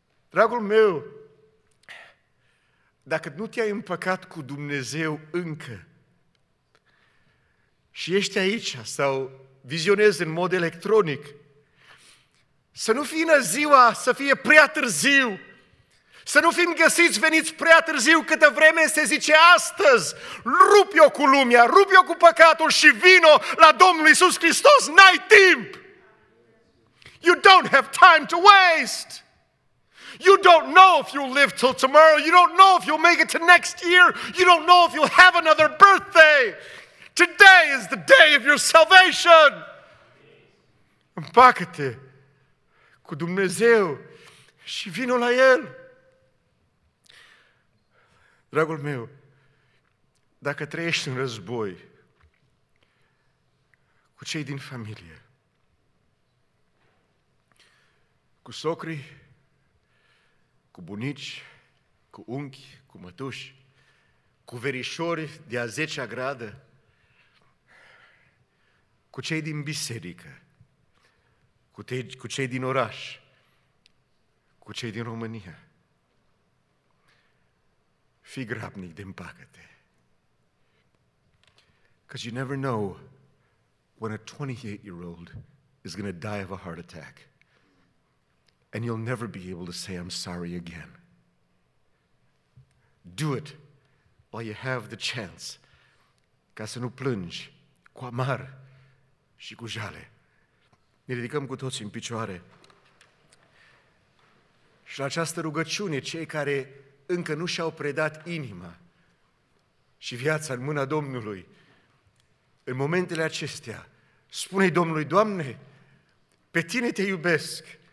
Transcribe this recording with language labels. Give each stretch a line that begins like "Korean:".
Romanian: Dragul meu, dacă nu te-ai împăcat cu Dumnezeu încă și ești aici sau vizionezi în mod electronic, să nu fii în ziua să fie prea târziu, să nu fim găsiți veniți prea târziu, câtă vreme se zice astăzi, rup-o cu lumea, rup-o cu păcatul și vino la Domnul Iisus Hristos, n-ai timp!
English: You don't have time to waste! You don't know if you'll live till tomorrow. You don't know if you'll make it to next year. You don't know if you'll have another birthday. Today is the day of your salvation.
Romanian: Împacă-te cu Dumnezeu și vino la El. Dragul meu, dacă trăiești în război cu cei din familie, cu socrii, cu bunici, cu unchi, cu mătuși, cu verișori de a 10-a gradă, cu cei din biserică, cu cei din oraș, cu cei din România. Fii grabnic de împacă-te.
English: Because you never know when a 28-year-old is going to die of a heart attack. And you'll never be able to say, I'm sorry again. Do it while you have the chance,
Romanian: ca să nu plângi cu amar și cu jale. Ne ridicăm cu toți în picioare. Și la această rugăciune, cei care încă nu și-au predat inima și viața în mâna Domnului, în momentele acestea, spune-i Domnului, Doamne, pe Tine Te iubesc.